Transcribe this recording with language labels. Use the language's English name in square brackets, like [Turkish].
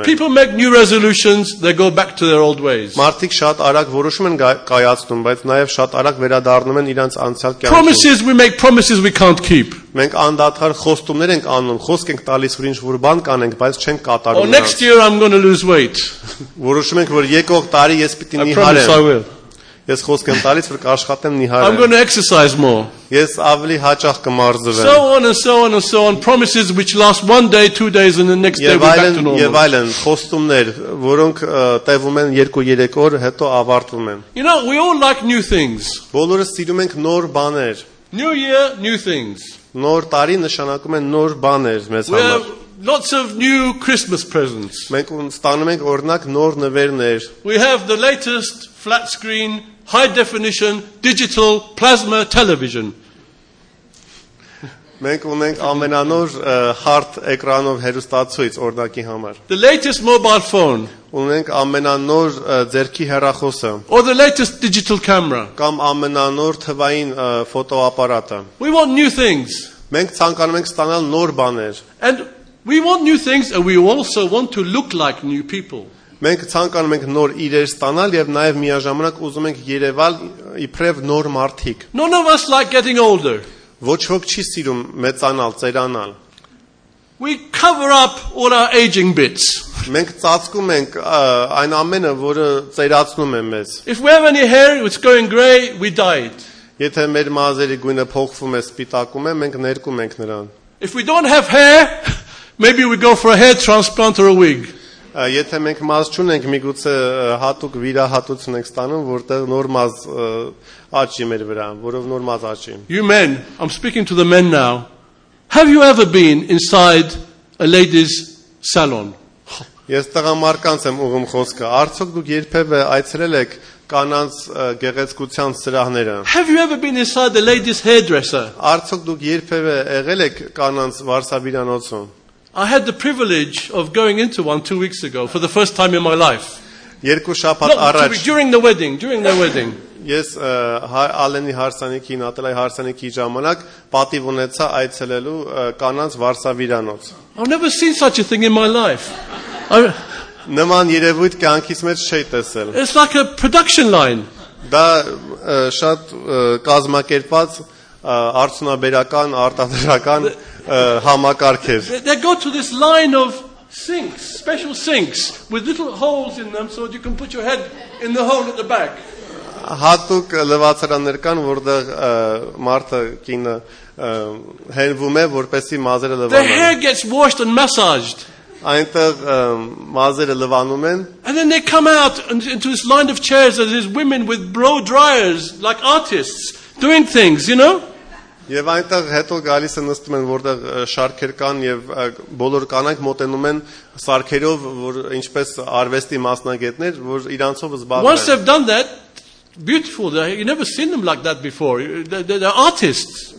[English] է։ People make new resolutions, they go back to their old ways. [Armenian] Մարդիկ շատ արագ որոշում են կայացնում, բայց նաև շատ արագ վերադառնում են իրենց անցյալ կյանքին։ [English] Promises we make, promises we can't keep. [Armenian] Մենք անդադար խոստումներ ենք անում, խոսք ենք տալիս, որ ինչ-որ բան կանենք, բայց չենք կատարում։ [English] Oh, next year I'm going to lose weight. [Armenian] Որոշում ենք, որ եկող տարի ես պիտի նիհարեմ։ Ես խոսք եմ տալիս, որ կաշխատեմ նիհարել։ [English] I'm going to exercise more. [Armenian] Ես ավելի հաճախ կմարզվեմ։ [English] So on and so on and so on, promises which last one day, two days and the next day we're back to normal. [Armenian] Եվ այլն, խոստումներ, որոնք տևում են 2-3 օր, հետո ավարտվում են։ [English] You know, we all like new things. [Armenian] Բոլորս սիրում ենք նոր բաներ։ [English] New year, new things. [Armenian] Նոր տարի նշանակում է նոր բաներ մեզ համար։ [English] Lots of new Christmas presents. [Armenian] Մենք ստանում ենք օրինակ նոր նվերներ։ [English] We have the latest flat screen, high definition, digital plasma television. [Armenian] Մենք ունենք ամենանոր հարթ էկրանով հեռուստացույց օրինակի համար։ [English] The latest mobile phone. [Armenian] Ունենք ամենանոր ձեռքի հեռախոսը։ [English] Or the latest digital camera. [Armenian] Կամ ամենանոր թվային ֆոտոապարատը։ [English] We want new things. [Armenian] Մենք ցանկանում ենք ստանալ նոր բաներ։ [English] And we want new things and we also want to look like new people. [Armenian] Մենք ցանկանում ենք նոր իրեր ստանալ եւ նաեւ միաժամանակ ուզում ենք երևալ իբրև նոր մարդիկ. [English] None of us like getting older. [Armenian] Ոչ ոք չի սիրում մեծանալ, ծերանալ. [English] We cover up all our aging bits. [Armenian] Մենք ծածկում ենք այն ամենը, որը ծերացնում է մեզ. [English] If we have any hair, it's going grey, we dye it. [Armenian] Եթե մեր մազերի գույնը փոխվում է, սպիտակում է, մենք ներկում ենք նրան. [English] If we don't have hair, maybe we go for a hair transplant or a wig. [Armenian] Եթե մենք մազ չունենք, միգուցե հատուկ վիրահատություն ենք ստանում, որտեղ նոր մազ աճի մեր վրա, որով նոր մազ աճի։ [English] You men, I'm speaking to the men now. Have you ever been inside a lady's salon? [Armenian] Ես տղամարդկանց եմ ուղում խոսքը։ Արդյոք դուք երբևէ այցելել եք կանանց գեղեցկության սրահները։ [English] Have you ever been inside a lady's hairdresser? [Armenian] Արդյոք դուք երբևէ եղել եք կանանց վարսավիրանոցում։ [English] I had the privilege of going into one 2 weeks ago for the first time in my life. [Armenian] Երկու շաբաթ առաջ. [English] During the wedding. [Armenian] Ես Ալենի հարսանեկին, Ատելայի հարսանեկի ժամանակ պատիվ ունեցա այցելելու կանանց վարսավիրանոց. [English] I've never seen such a thing in my life. [Armenian] Նման երևույթ կյանքիս մեջ չէի տեսել. [English] It's like a production line. [Armenian] Դա շատ կազմակերպած արտոնաբերական, արտադրական համակարգ էր։ [English] They go to this line of sinks, special sinks with little holes in them so that you can put your head in the hole at the back. [Armenian] Հատուկ լվացարաններ կան, որտեղ մարդը կինը հենվում է, որպեսզի մազերը լվանան։ [English] The hair gets washed and massaged. [Armenian] Այնտեղ մազերը լվանում են։ [English] And then they come out into this line of chairs as these women with blow dryers like artists doing things, you know? [Armenian] Եվ այնտեղ հետո գալիս են նստում են որտեղ շարքեր կան եւ բոլոր կանանք մոտենում են սարքերով որ ինչպես արվեստի մասնագետներ որ իրանցով զբաղվեն։ [English] Once they've done that, beautiful. You never seen them like that before. They're artists.